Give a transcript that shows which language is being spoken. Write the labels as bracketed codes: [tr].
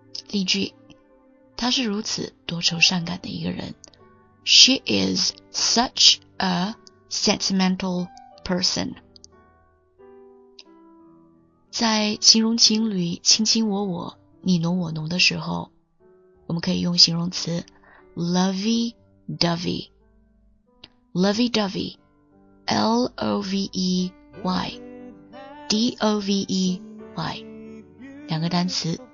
[zh] 例句，他是如此多愁善感的一个人。 [en] She is such a sentimental person. [zh] 在形容情侣卿卿我我、你侬我侬的时候，我们可以用形容词 lovey-dovey, lovey-dovey, L-O-V-E-Y, D-O-V-E-Y, 两个单词。